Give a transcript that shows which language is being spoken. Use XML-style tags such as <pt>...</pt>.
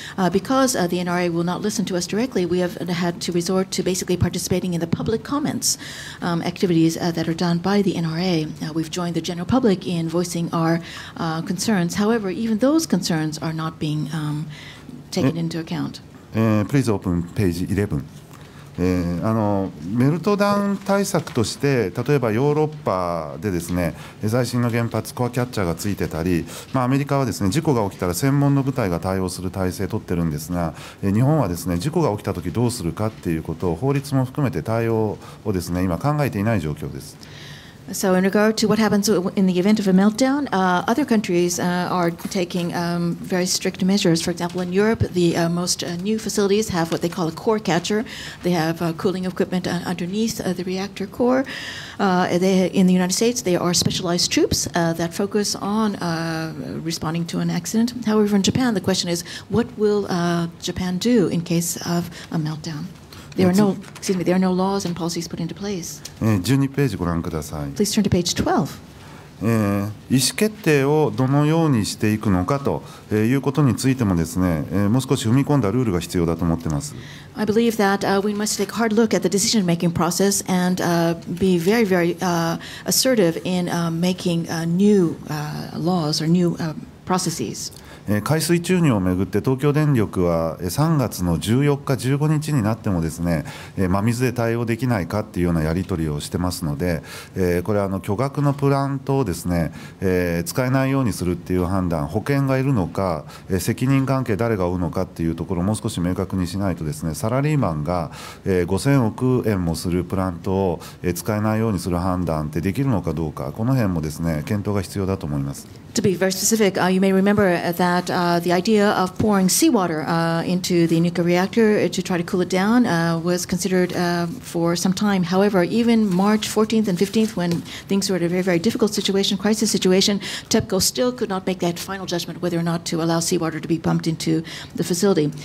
<en>Because the NRA will not listen to us directly, we have had to resort to basically participating in the public comments activities that are done by the NRA. We've joined the general public in voicing our concerns. However, even those concerns are not being taken into account. Please open page 11.</en> <ja>メルトダウン対策として例えばヨーロッパでですね、最新の原発コアキャッチャーがついてたり、まあ、アメリカはですね、事故が起きたら専門の部隊が対応する体制を取ってるんですが、日本はですね、事故が起きた時どうするかっていうことを法律も含めて対応をですね、今考えていない状況です。</ja> <en>So in regard to what happens in the event of a meltdown, other countries are taking very strict measures. For example, in Europe, the most new facilities have what they call a core catcher. They have cooling equipment underneath the reactor core. They, in the United States, they are specialized troops that focus on responding to an accident. However, in Japan, the question is, what will Japan do in case of a meltdown? There are no laws and policies put into place.</en> <ja>12ページご覧ください。</ja> <en>Please turn to page 12.</en> <ja>意思決定をどのようにしていくのかということについてもですね、もう少し踏み込んだルールが必要だと思ってます。</ja> <en>I believe that we must take a hard look at the decision making process and be very, very assertive in making new laws or new processes.</en> <ja>海水注入をめぐって東京電力は3月の14日15日になってもですね、真水で対応できないかっていうようなやり取りをしてますので、これは巨額のプラントをですね、使えないようにするっていう判断、保険がいるのか、責任関係誰が負うのかっていうところをもう少し明確にしないとですね、サラリーマンが5000億円もするプラントを使えないようにする判断ってできるのかどうか、この辺もですね、検討が必要だと思います。</ja> <en>To be very specific, you may remember that the idea of pouring seawater into the nuclear reactor to try to cool it down was considered for some time. However, even March 14th and 15th, when things were at a very, very difficult situation, crisis situation, TEPCO still could not make that final judgment whether or not to allow seawater to be pumped into the facility.</en>